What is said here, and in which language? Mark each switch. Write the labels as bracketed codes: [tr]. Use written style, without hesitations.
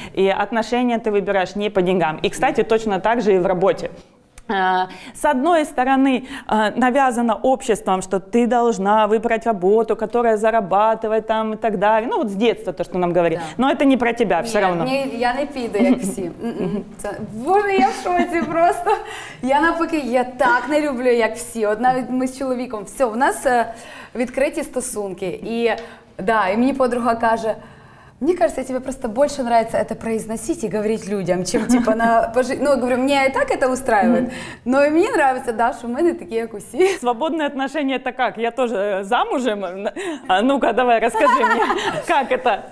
[ru] И отношения ты выбираешь не по деньгам. И, кстати, точно так же и в работе. С одной стороны, навязано обществом, что ты должна выбрать работу, которая зарабатывает там и так далее. Ну, вот с детства то, что нам говорили. Да. Но это не про тебя, все равно. [uk] Не, я не піду, як всі. Боже, я в шоці просто. Я навпаки, я так не люблю, як всі. От навіть ми з чоловіком. Все, у нас відкриті стосунки. І, да, і мені подруга каже, [ru] мне кажется, тебе просто больше нравится это произносить и говорить людям, чем типа на... Ну, говорю, мне и так это устраивает, но и мне нравится, да, что мы не такие, как все. Свободные отношения — это как? Я тоже замужем? А ну-ка, давай, расскажи мне, как это?